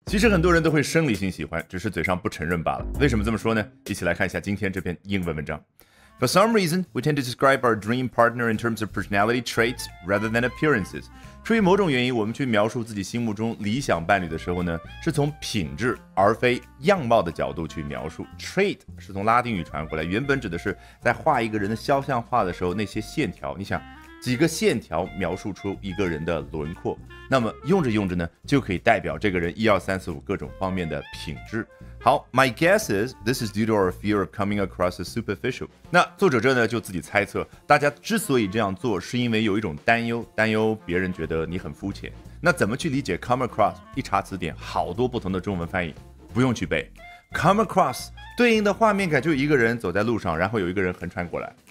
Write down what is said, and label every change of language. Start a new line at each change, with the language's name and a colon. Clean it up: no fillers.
Chinese: 其实很多人都会生理性喜欢，只是嘴上不承认罢了。为什么这么说呢？一起来看一下今天这篇英文文章。
English: For some reason, we tend to describe our dream partner in terms of personality traits rather than appearances.
Chinese: 出于某种原因，我们去描述自己心目中理想伴侣的时候呢，是从品质而非样貌的角度去描述。 Trait 是从拉丁语传过来，原本指的是在画一个人的肖像画的时候那些线条。你想，几个线条描述出一个人的轮廓，那么用着用着呢，就可以代表这个人一二三四五各种方面的品质。
English: 好 ，My guess is this is due to our fear of coming across as superficial。
Chinese: 那作者这呢就自己猜测，大家之所以这样做，是因为有一种担忧，担忧别人觉得你很肤浅。那怎么去理解 come across？一查词典，好多不同的中文翻译，不用去背。Come across 对应的画面感就一个人走在路上，然后有一个人横穿过来。